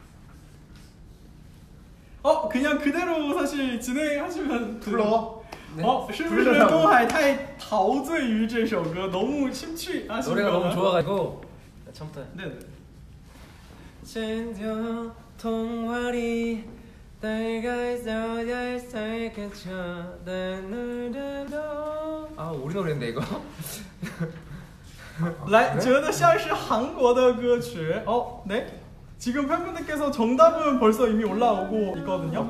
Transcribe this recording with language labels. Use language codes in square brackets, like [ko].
[zh] 来，准备好了，我就开始给东海来放这首歌。同学们，我们就要这个，来开始。哦， [ko] 그냥 그대로 사실 진행하시면 불러. [zh] 是不是东海太陶醉于这首歌， [ko] 너무 심취하시는 거예요? 노래가 너무 좋아가지고 처음부터. 네. 진짜 동화리. 내가 있어야 할 살겠죠 내 눈에도 아 우리 노래인데 이거? [zh] 来觉得像是韩国的歌曲 어? [ko] 네? 지금 팬분들께서 정답은 벌써 이미 올라오고 있거든요